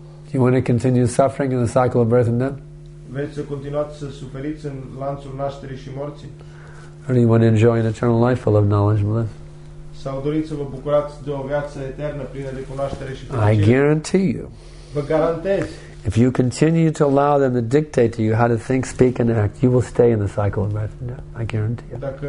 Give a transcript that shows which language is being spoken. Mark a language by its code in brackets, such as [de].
[en] You want to continue suffering in the cycle of birth and death? [ro] Vreți să continuați să suferiți în lanțul nașterii și morții? [en] Or do you want to enjoy an eternal life full of knowledge and bliss? [ro] Sau doriți să vă bucurați de o viață eternă plină de cunoaștere și fericire? [en] I guarantee you. [ro] Vă garantez. [en] If you continue to allow them to dictate to you how to think, speak, and act, you will stay in the cycle of birth and death. I guarantee you.